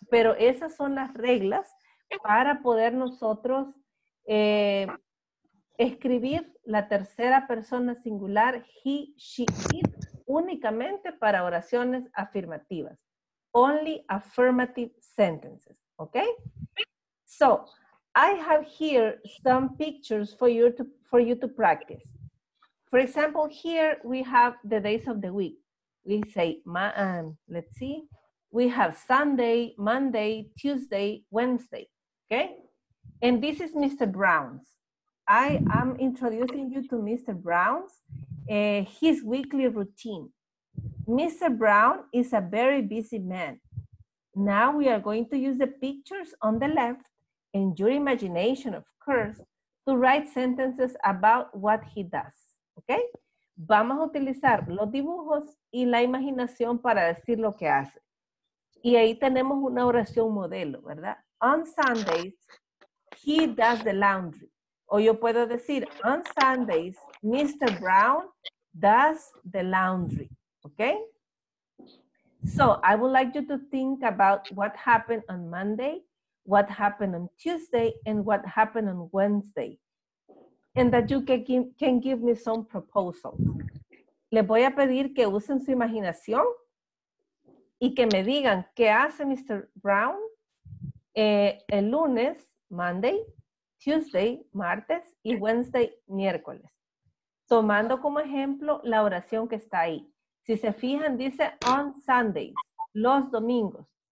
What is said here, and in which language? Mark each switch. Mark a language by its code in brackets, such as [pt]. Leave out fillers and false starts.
[es] Pero esas son las reglas para poder nosotros escribir la tercera persona singular, he, she, it, únicamente para oraciones afirmativas. [en] Only affirmative sentences, ¿ok? So, I have here some pictures for you to practice. For example, here we have the days of the week. We say, let's see. We have Sunday, Monday, Tuesday, Wednesday. Okay? And this is Mr. Brown's. I am introducing you to Mr. Brown's, his weekly routine. Mr. Brown is a very busy man. Now we are going to use the pictures on the left in your imagination, of course, to write sentences about what he does, okay? [es] Vamos a utilizar los dibujos y la imaginación para decir lo que hace. Y ahí tenemos una oración modelo, ¿verdad? [en] On Sundays, he does the laundry. [es] O yo puedo decir, [en] on Sundays, Mr. Brown does the laundry, okay? So, I would like you to think about what happened on Monday, what happened on Tuesday, and what happened on Wednesday. And that you can give me some proposals. [es] Les voy a pedir que usen su imaginación y que me digan qué hace Mr. Brown el lunes, Monday, Tuesday, martes, y Wednesday, miércoles. Tomando como ejemplo la oración que está ahí. Si se fijan, dice [en] on Sundays, [es] los domingos.